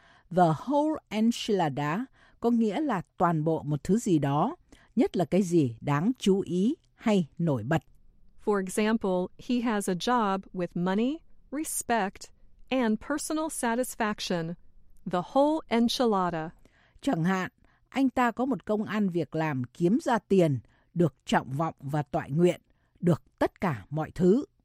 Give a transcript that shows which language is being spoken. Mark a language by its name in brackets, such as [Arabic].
[English] The whole enchilada [Vietnamese] có nghĩa là toàn bộ một thứ gì đó, nhất là cái gì đáng chú ý hay nổi bật. [English] For example, he has a job with money, respect, and personal satisfaction. The whole enchilada. [Vietnamese] Chẳng hạn, anh ta có một công ăn việc làm kiếm ra tiền, được trọng vọng và toại nguyện, được tất cả mọi thứ.